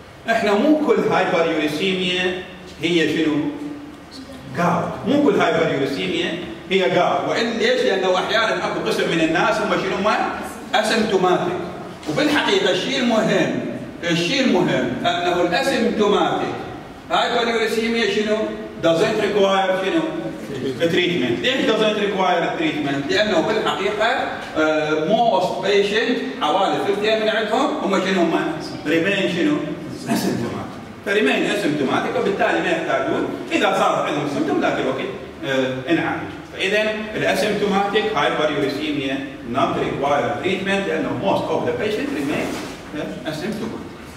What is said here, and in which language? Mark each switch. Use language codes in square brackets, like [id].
[ar] احنا مو كل هايبر يوريسيميا هي شنو؟ جاوت. مو كل هايبر يوريسيميا هي جاوت، وإن ليش؟ لأنه أحيانا أكو قسم من الناس هم شنو ما؟ أسمتوماتيك. وبالحقيقة الشيء المهم أنه الأسمتوماتيك هايبر يوريسيميا شنو؟ [en] doesn't require treatment. [ar] ليش [en] doesn't require treatment؟ [ar] لأنه بالحقيقة [en] most patients [ar] حوالي 50 من عندهم هم شنو ما remain شنو؟ asymptomatic. فريمين asymptomatic وبالتالي ما يحتاجون إذا صار عندهم symptom ذاك الوقت انعالج. فإذا الأسيمتوماتيك [en] hyperuricemia not require treatment [ar] لأنه [en] most of the patients remain asymptomatic.